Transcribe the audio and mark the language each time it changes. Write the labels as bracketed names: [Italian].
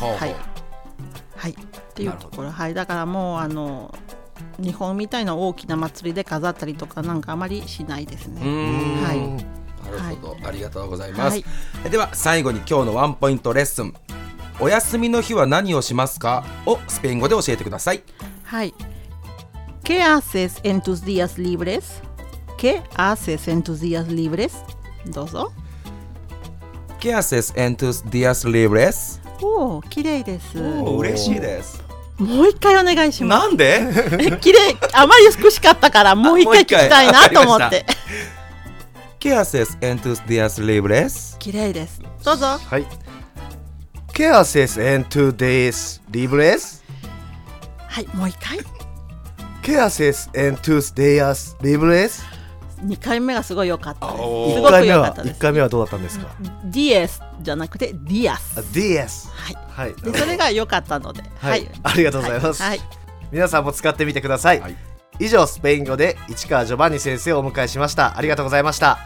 [Japanese] はい、はい、っていうところ、はい、だからもう日本みたいな大きな祭りで飾ったりとかなんかあまりしないですね。うん、はい、なるほど、はい、ありがとうございます、はい、では最後に今日のワンポイントレッスン、お休みの日は何をしますかをスペイン語で教えてください。はい。 [Spanish] ¿Qué haces en tus días libres? ¿Qué haces en tus días libres? [Japanese] どうぞ。 [Spanish] ¿Qué haces en tus días libres? [Japanese] おお、綺麗です。嬉しいです。もう一回お願いします。なんで？綺麗、あまり美しかったからもう一回聞きたいなと思って。 [Spanish] ¿Qué haces en tus días libres? [Japanese] 綺麗です。どうぞ。はい。 [Spanish] ¿Qué haces en tus días libres? [Japanese] はい、もう一回。 [Spanish] ¿Qué haces en tus días libres? [Japanese] 2回目がすごい良かったです。 1回目はどうだったんですか？ días じゃなくて días。 [Spanish] días、 [Japanese] はいはい、でそれが良かったので、はいはい、ありがとうございます、はい、皆さんも使ってみてください、はい、以上スペイン語で市川ジョバンニ先生をお迎えしました。ありがとうございました。